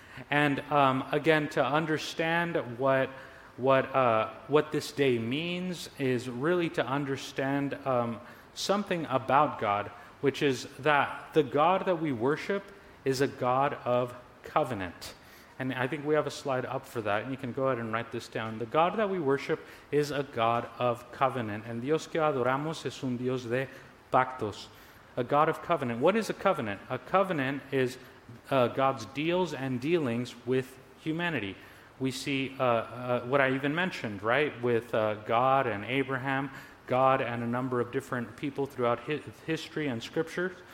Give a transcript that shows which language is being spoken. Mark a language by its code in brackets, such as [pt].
[en] And again, to understand what this day means is really to understand something about God, which is that the God that we worship is a God of covenant. And I think we have a slide up for that, and you can go ahead and write this down. The God that we worship is a God of covenant. [es] El Dios que adoramos es un Dios de pactos. [en] A God of covenant. What is a covenant? A covenant is God's deals and dealings with humanity. We see what I even mentioned, right? With God and Abraham, God and a number of different people throughout history and scripture.